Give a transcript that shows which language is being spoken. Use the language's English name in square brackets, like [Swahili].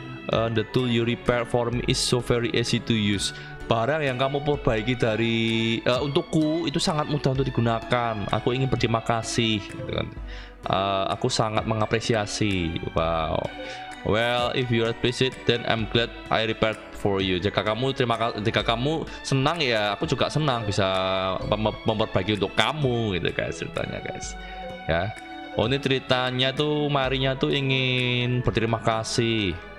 [English] The tool you repair for me is so very easy to use. [Indonesian] Barang yang kamu perbaiki dari untukku itu sangat mudah untuk digunakan. Aku ingin berterima kasih. Aku sangat mengapresiasi. Wow. [English] Well, if you appreciate, then I'm glad I repaired for you. [Indonesian] Jika kamu senang ya, aku juga senang bisa memperbaiki untuk kamu, gitu guys ceritanya guys. Ya, oh ini ceritanya tuh Marinya tuh ingin berterima kasih.